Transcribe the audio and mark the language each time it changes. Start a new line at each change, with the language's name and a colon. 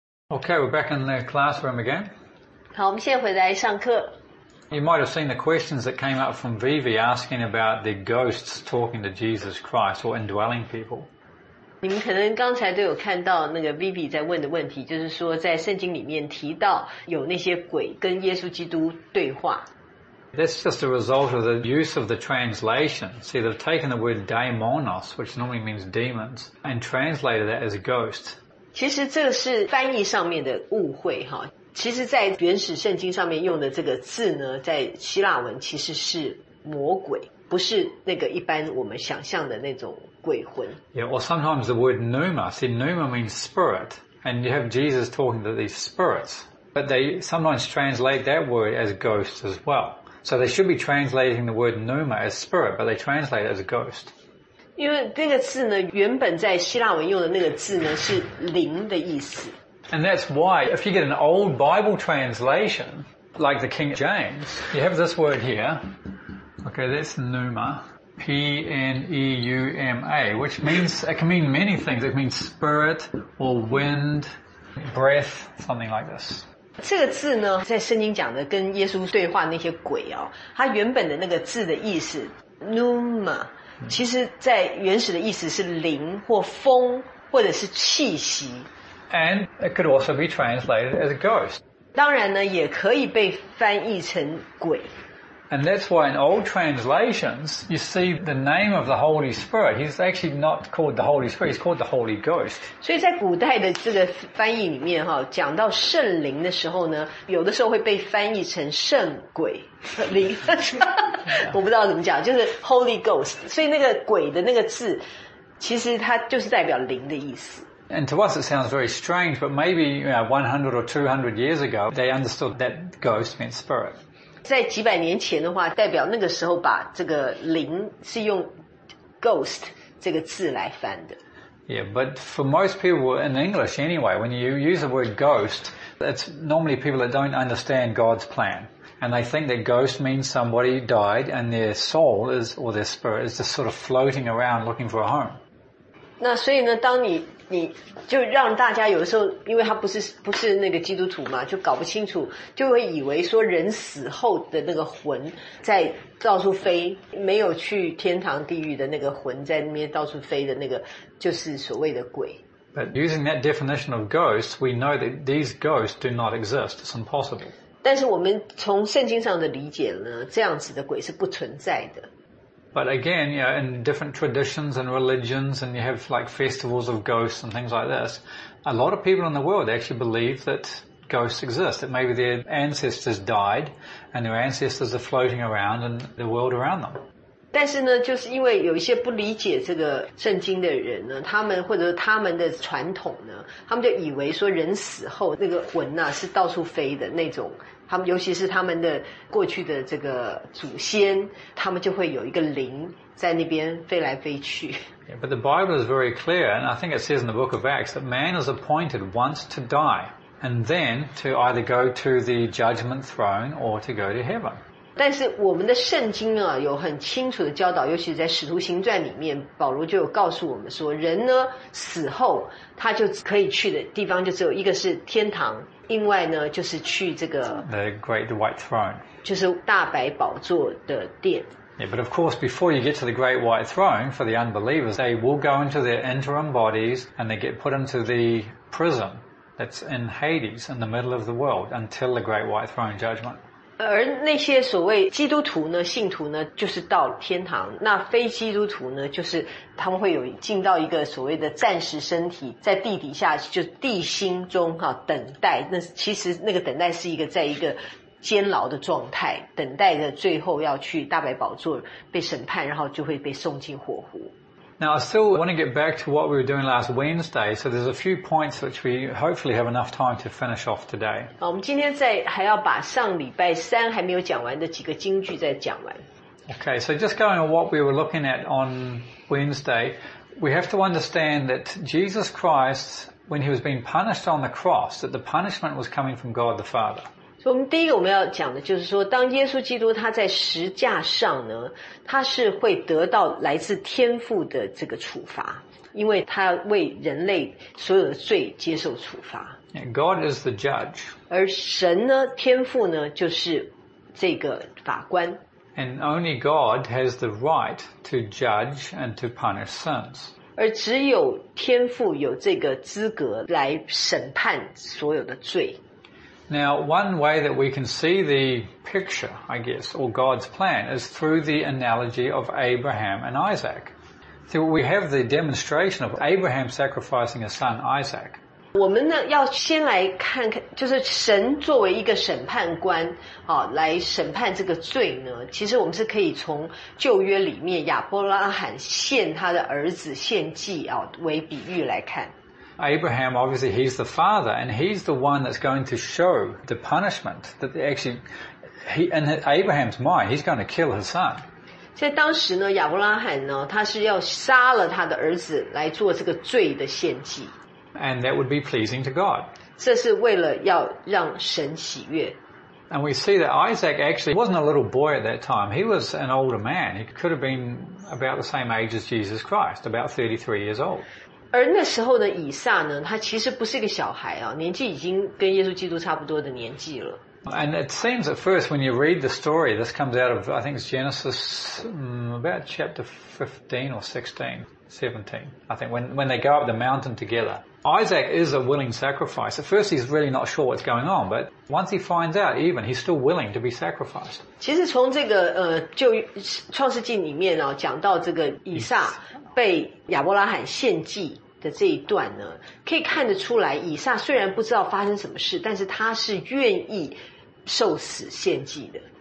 English: Okay, we're back in the classroom again.
Chinese: 好，我们现在回来上课。
English: You might have seen the questions that came up from Vivi asking about the ghosts talking to Jesus Christ or indwelling people.
Chinese: 你们可能刚才都有看到那个 Vivi 在问的问题，就是说在圣经里面提到有那些鬼跟耶稣基督对话。
English: That's just a result of the use of the translation. See, they've taken the word daimonos, which normally means demons, and translated that as a ghost.
Chinese: 其实这是翻译上面的误会哈。其实，在原始圣经上面用的这个字呢，在希腊文其实是魔鬼，不是那个一般我们想象的那种鬼魂。
English: Yeah, or sometimes the word pneuma. See, pneuma means spirit, and you have Jesus talking to these spirits. But they sometimes translate that word as ghosts as well. So they should be translating the word pneuma as spirit, but they translate it as a ghost.
Chinese: 因为那个字呢，原本在希腊文用的那个字呢，是灵的意思。
English: And that's why, if you get an old Bible translation, like the King James, you have this word here. Okay, that's pneuma. P-N-E-U-M-A, which means, it can mean many things. It means spirit, or wind, breath, something like this.
Chinese: 这个字呢在圣经讲的跟耶稣对话那些鬼哦它原本的那个字的意思 Pneuma 其实在原始的意思是灵或风或者是气息
English: And it could also be translated as a ghost
Chinese: 当然呢也可以被翻译成鬼
English: And that's why in old translations you see the name of the Holy Spirit He's actually not called the Holy Spirit He's called the Holy Ghost
Chinese: 所以在古代的这个翻译里面讲到圣灵的时候呢有的时候会被翻译成圣鬼灵我不知道怎么讲就是 Holy Ghost 所以那个鬼的那个字其实它就是代表灵的意思
English: And to us it sounds very strange, but maybe 100 or 200 years ago, they understood that ghost meant spirit.
Chinese: 在几百年前的话，代表那个时候把这个灵是用 ghost 这个字来翻的。
English: Yeah, but for most people in English anyway, when you use the word ghost, it's normally people that don't understand God's plan. And they think that ghost means somebody died and their soul is, or their spirit is just sort of floating around looking for a home.
Chinese: 那所以呢当你就让大家有的时候因为他不是那个基督徒嘛就搞不清楚就会以为说人死后的那个魂在到处飞没有去天堂地狱的那个魂在那边到处飞的那个就是所谓的鬼。
English: But using that definition of ghosts, we know that these ghosts do not exist. It's impossible.
Chinese: 但是我们从圣经上的理解呢这样子的鬼是不存在的。
English: But again, you know, in different traditions and religions, and you have like festivals of ghosts and things like this, a lot of people in the world actually believe that ghosts exist, that maybe their ancestors died, and their ancestors are floating around in the world around them.
Chinese: 但是呢，就是因为有一些不理解这个圣经的人呢，他们或者他们的传统呢，他们就以为说人死后那个魂啊是到处飞的那种。他们尤其是他们的过去的这个祖先他们就会有一个灵在那边飞来飞去
English: yeah, But the Bible is very clear and I think it says in the book of Acts that man is appointed once to die and then to either go to the judgment throne or to go to heaven
Chinese: 但是我们的圣经啊有很清楚的教导尤其是在使徒行传里面保罗就有告诉我们说人呢死后他就可以去的地方就只有一个是天堂另外呢就是去这个
English: The Great White Throne
Chinese: 就是大白宝座的殿
English: Yeah, but of course before you get to the Great White Throne for the unbelievers they will go into their interim bodies and they get put into the prison that's in Hades in the middle of the world until the Great White Throne judgment
Chinese: 而那些所谓基督徒呢信徒呢就是到天堂那非基督徒呢就是他们会有进到一个所谓的暂时身体在地底下就地心中等待那其实那个等待是一个在一个监牢的状态等待着最后要去大白宝座被审判然后就会被送进火湖
English: Now I still want to get back to what we were doing last Wednesday so there's a few points which we hopefully have enough time to finish off today
Chinese: 我们今天在还要把上礼拜三还没有讲完的几个经句再讲完
English: Okay, so just going on what we were looking at onWednesday, we have to understand that Jesus Christ, when he was being punished on the cross, that the punishment was coming from God the Father.
Chinese: So, 我们第一个我们要讲的就是说，当耶稣基督他在十架上呢，他是会得到来自天父的这个处罚，因为他要为人类所有的罪接受处罚。
English: God is the judge.
Chinese: 而神呢，天父呢，就是这个法官。
English: And only God has the right to judge and to punish sins.
Chinese: 而只有天父有这个资格来审判所有的罪。
English: Now, one way that we can see the picture, I guess, or God's plan, is through the analogy of Abraham and Isaac. So we have the demonstration of Abraham sacrificing his son Isaac.
Chinese: 我们呢要先来看看，就是神作为一个审判官，好，来审判这个罪呢，其实我们是可以从旧约里面亚伯拉罕献他的儿子献祭啊为比喻来看。
English: Abraham, obviously, he's the father, and he's the one that's going to show the punishment that actually, in Abraham's mind, he's going to kill his son.
Chinese: 在当时呢，亚伯拉罕呢，他是要杀了他的儿子来做这个罪的献祭。
English: And that would be pleasing to God.
Chinese: 这是为了要让神喜悦。
English: And we see that Isaac actually wasn't a little boy at that time. He was an older man. He could have been about the same age as Jesus Christ, about 33 years old.
Chinese: 而那时候呢，以撒呢，他其实不是一个小孩啊，年纪已经跟耶稣基督差不多的年纪了。
English: And it seems at first when you read the story, this comes out of, I think it's Genesis, about chapter 15 or 16, 17, I think, when they go up the mountain together. Isaac is a willing sacrifice. At first he's really not sure what's going on, but once he finds out even, he's still willing to be sacrificed.
Chinese: 其实从这个就创世纪里面啊，讲到这个以撒。被亚伯拉罕献祭的这一段呢，可以看得出来，以撒虽然不知道发生什么事，但是他是愿意受死献祭的。